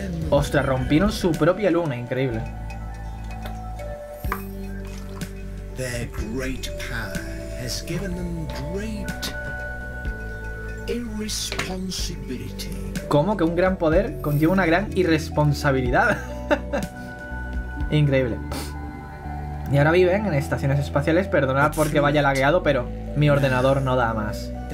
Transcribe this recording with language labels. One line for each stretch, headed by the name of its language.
Spanish: Ostras, rompieron su propia luna, increíble.
English: Their great power has given them great irresponsibility.
Spanish: ¿Cómo que un gran poder conlleva una gran irresponsabilidad? Increíble. Y ahora viven en estaciones espaciales. Perdonad porque vaya lagueado, pero mi ordenador no da más.